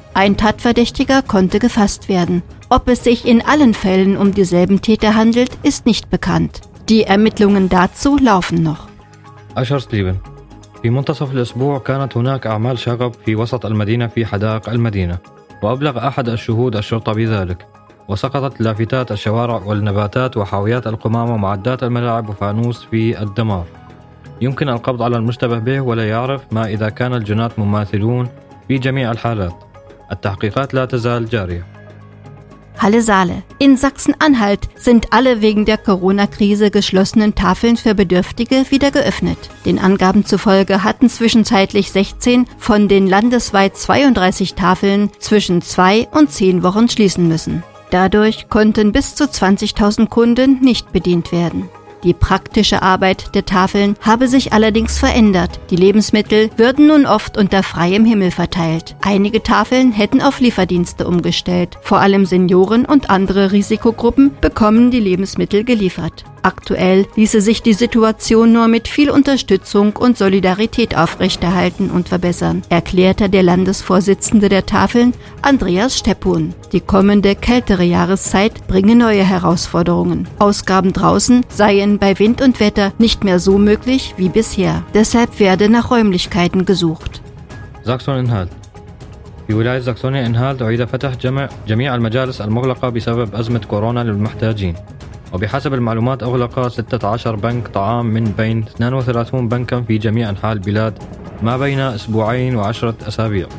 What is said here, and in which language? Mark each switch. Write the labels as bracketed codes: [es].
[de] Ein Tatverdächtiger konnte gefasst werden. Ob es sich in allen Fällen um dieselben Täter handelt, ist nicht bekannt. Die Ermittlungen dazu laufen noch. Aschersleben. [ar] في منتصف الأسبوع كانت هناك أعمال شغب في وسط المدينة في حدائق المدينة، وأبلغ أحد الشهود الشرطة بذلك. وسقطت لافتات الشوارع والنباتات وحاويات القمامة ومعدات الملاعب وفانوس في الدمار. يمكن القبض على المشتبه به ولا يعرف ما إذا كان الجنات مماثلون في جميع الحالات. التحقيقات لا تزال جارية. [de] Halle Saale. In Sachsen-Anhalt sind alle wegen der Corona-Krise geschlossenen Tafeln für Bedürftige wieder geöffnet. Den Angaben zufolge hatten zwischenzeitlich 16 von den landesweit 32 Tafeln zwischen 2 und 10 Wochen schließen müssen. Dadurch konnten bis zu 20.000 Kunden nicht bedient werden. Die praktische Arbeit der Tafeln habe sich allerdings verändert. Die Lebensmittel würden nun oft unter freiem Himmel verteilt. Einige Tafeln hätten auf Lieferdienste umgestellt. Vor allem Senioren und andere Risikogruppen bekommen die Lebensmittel geliefert. Aktuell ließe sich die Situation nur mit viel Unterstützung und Solidarität aufrechterhalten und verbessern, erklärte der Landesvorsitzende der Tafeln, Andreas Steppun. Die kommende kältere Jahreszeit bringe neue Herausforderungen. Ausgaben draußen seien bei Wind und Wetter nicht mehr so möglich wie bisher. Deshalb werde nach Räumlichkeiten gesucht. Sachsen-Anhalt. [ar] في ولاية ساكسونيا-أنهالت أعيد فتح جميع المجالس المغلقة بسبب أزمة كورونا للمحتاجين. وبحسب المعلومات أغلق 16 بنك طعام من بين 32 بنكا في جميع أنحاء البلاد ما بين 2 و10 أسابيع.